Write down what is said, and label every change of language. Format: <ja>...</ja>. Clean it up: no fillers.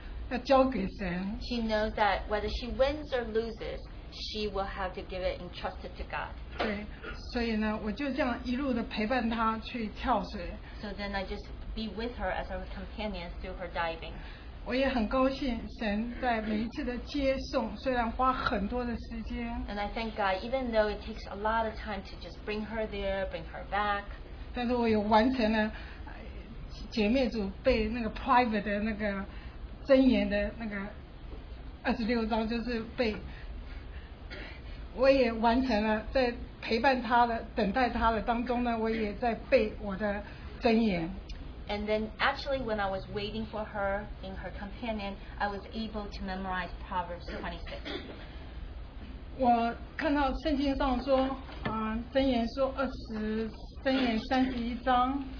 <zh>她知道要赢这场，赢或输呢，要交给神。She</zh> <en>knows that whether she wins or loses, she will have to give it entrusted to God.</en> <zh>对，所以呢，我就这样一路的陪伴她去跳水。So</zh> <en>then I just be with her as her companion through her diving.</en> <zh>我也很高兴神在每一次的接送，虽然花很多的时间。</zh> <en>And I thank God, even though it takes a lot of time to just bring her there, bring her back.</en> <zh>但是我有完成了姐妹组被那个 private 的那个真言的那个26章，就是被我也完成了，在陪伴她的、等待她的当中呢，我也在背我的真言。</zh> <en>And then actually when I was waiting for her in her companion, I was able to memorize Proverbs 26.</en> <zh>我看到圣经上说, 真言31章,</zh>